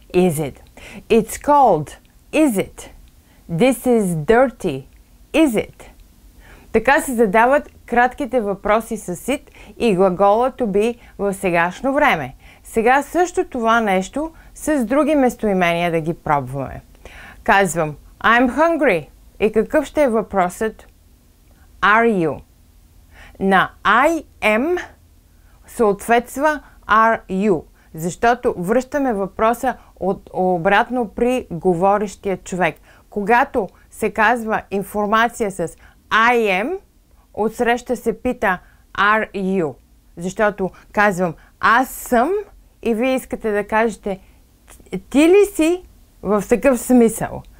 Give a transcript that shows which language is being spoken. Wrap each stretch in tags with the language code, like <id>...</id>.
<en>Is it? It's cold. Is it? This is dirty. Is it?</en> <bg>Така се задават кратките въпроси с it и глагола to be в сегашно време. Сега също това нещо с други местоимения да ги пробваме. Казвам,</bg> <en>I'm hungry.</en> <bg>И какъв ще е въпросът?</bg> <en>Are you?</en> <bg>На</bg> <en>I am</en> <bg>съответства</bg> <en>are you,</en> <bg>защото връщаме въпроса от обратно при говорещия човек. Когато се казва информация с</bg> <en>I am,</en> <bg>отсреща се пита</bg> <en>are you,</en> <bg>защото казвам аз съм и вие искате да кажете ти ли си в такъв смисъл.</bg>